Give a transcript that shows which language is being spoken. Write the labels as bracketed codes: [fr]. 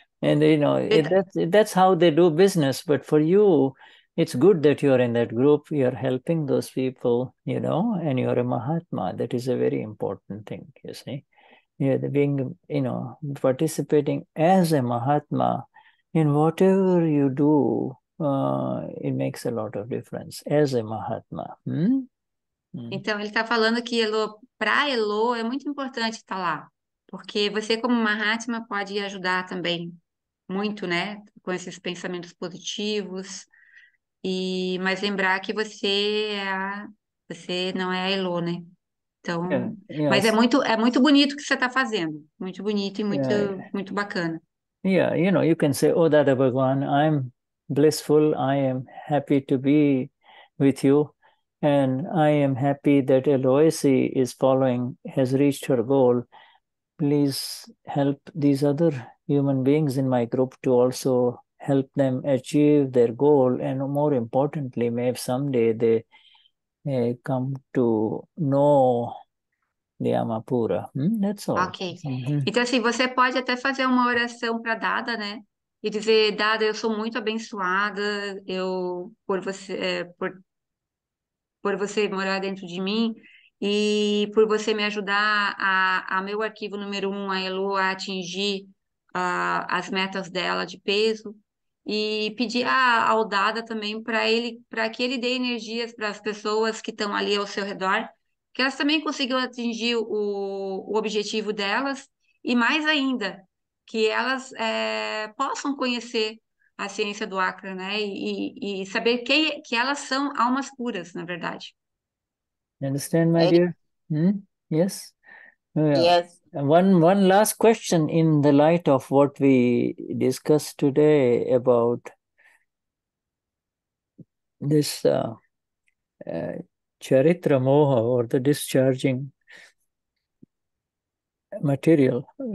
[en] And, you know, that's how they do business. But for you, it's good that you're in that group, you're helping those people, you know, and you're a Mahatma. That is a very important thing, you see. Yeah, being, you know, participating as a Mahatma, in whatever you do, it makes a lot of difference as a Mahatma. [pt] Então, ele está falando que para Elo é muito importante estar lá, porque você, como Mahatma, pode ajudar também muito, né? Com esses pensamentos positivos. Mas lembrar que você não é a Elo, né? Então, [en] yes. [pt] Mas é muito bonito o que você está fazendo. Muito bonito e muito, muito bacana. [en] Yeah, you know, you can say, oh, Dada Bhagwan, I'm blissful, I am happy to be with you, and I am happy that Eloise is following, has reached her goal. Please help these other human beings in my group to also help them achieve their goal, and more importantly, maybe someday they come to know the Amapura. That's all. Ok. Mm-hmm. [pt] Então, assim, você pode até fazer uma oração para Dada, né? E dizer, Dada, eu sou muito abençoada, eu por você morar dentro de mim e por você me ajudar a meu arquivo número um, a Elo, a atingir as metas dela de peso. E pedir ao Dada também para ele, para que ele dê energias para as pessoas que estão ali ao seu redor, que elas também consigam atingir o objetivo delas, e mais ainda, que elas possam conhecer a ciência do Acra, né? E saber que elas são almas puras, na verdade. [en] Understand, my dear? Yes? Yes. One last question in the light of what we discussed today about this charitra moha or the discharging material.